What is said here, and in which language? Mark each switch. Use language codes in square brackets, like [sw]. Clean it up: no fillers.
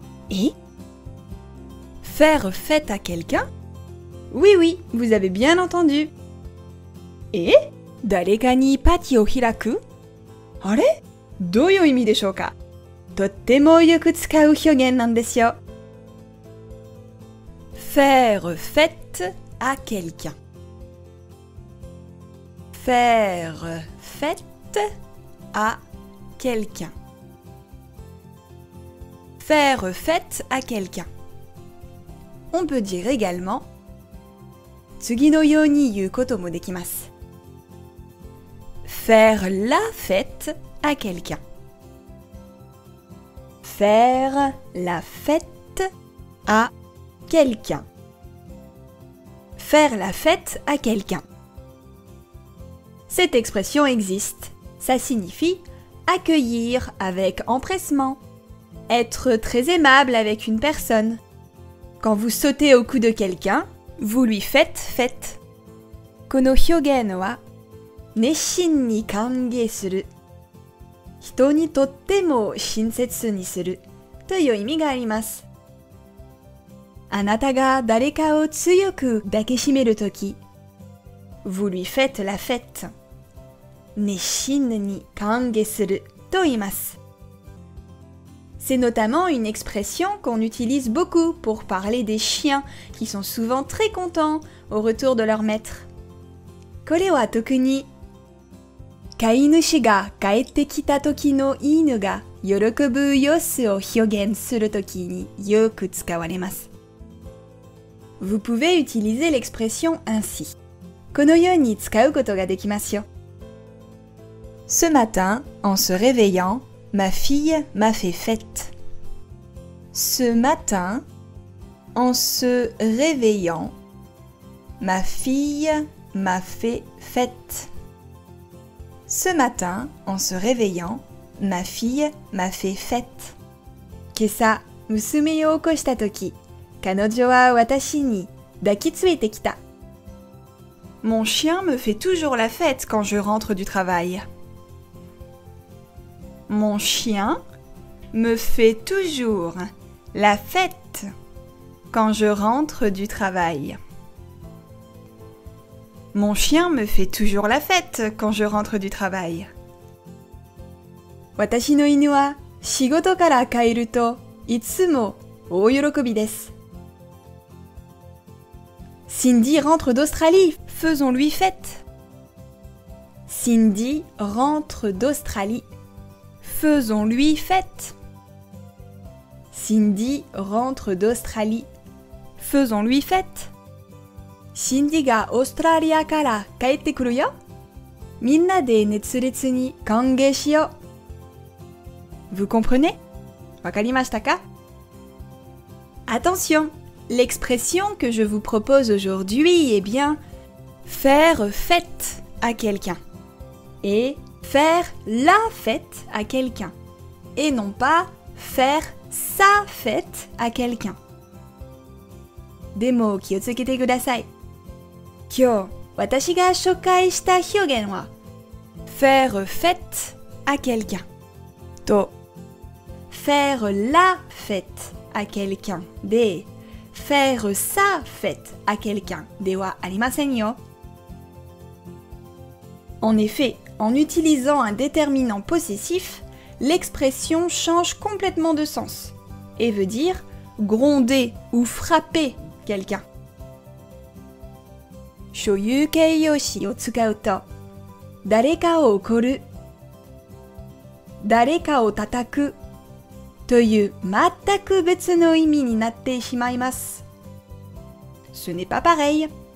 [fr] Et? Faire fête à quelqu'un? Oui, oui, vous avez bien entendu. Et? [ja] 誰かにパーティーを開く? あれ? どういう意味でしょうか?とってもよく使う表現なんですよ。 [fr] Faire fête à quelqu'un. Faire fête à quelqu'un. Faire fête à quelqu'un. On peut dire également [ja] 次のように言うこともできます。 [fr] Faire la fête à quelqu'un. Faire la fête à quelqu'un. Faire la fête à quelqu'un. Cette expression existe. Ça signifie accueillir avec empressement. Être très aimable avec une personne. Quand vous sautez au cou de quelqu'un, vous lui faites fête. [ja] この表現は、熱心に歓迎する。人にとっても親切にするという意味があります。あなたが誰かを強く抱きしめるとき、 [fr] vous lui faites la fête. [ja] 熱心に歓迎すると言います。 [fr] C'est notamment une expression qu'on utilise beaucoup pour parler des chiens qui sont souvent très contents au retour de leur maître. [ja] これは特に飼い主が帰ってきた時の犬が喜ぶ様子を表現する時によく使われます。 [fr] Vous pouvez utiliser l'expression ainsi. [ja] このように使うことができますよ。 [fr] Ce matin, en se réveillant,Ma fille m'a fait fête. Ce matin, en se réveillant, ma fille m'a fait fête. Ce matin, en se réveillant, ma fille m'a fait fête. [ja] 今朝、娘を起こした時、彼女は私に抱きついてきた。 [fr] Mon chien me fait toujours la fête quand je rentre du travail. Mon chien me fait toujours la fête quand je rentre du travail. Mon chien me fait toujours la fête quand je rentre du travail. [ja] 私の犬は仕事から帰るといつも大喜びです。 [fr] Cindy rentre d'Australie, faisons-lui fête. Cindy rentre d'Australie. Faisons-lui fête. Cindy rentre d'Australie. Faisons-lui fête. [ja] Cindy が Australia から帰ってくるよ。みんなで熱烈に歓迎しよう。 [fr] Vous comprenez? [ja] わかりましたか? [fr] Attention, l'expression que je vous propose aujourd'hui est bien faire fête à quelqu'un. Et... Faire la fête à quelqu'un et non pas faire sa fête à quelqu'un. [ja] でも気をつけてください。今日私が紹介した表現は [fr] faire fête à quelqu'un [ja] と [fr] faire la fête à quelqu'un で、faire sa fête à quelqu'un [ja] ではありませんよ。 [fr] En effet, en utilisant un déterminant possessif, l'expression change complètement de sens et veut dire gronder ou frapper quelqu'un. [ja] 所有形容詞を使うと、誰かを怒る、誰かを叩くという全く別の意味になってしまいます。 [fr] Ce n'est pas pareil.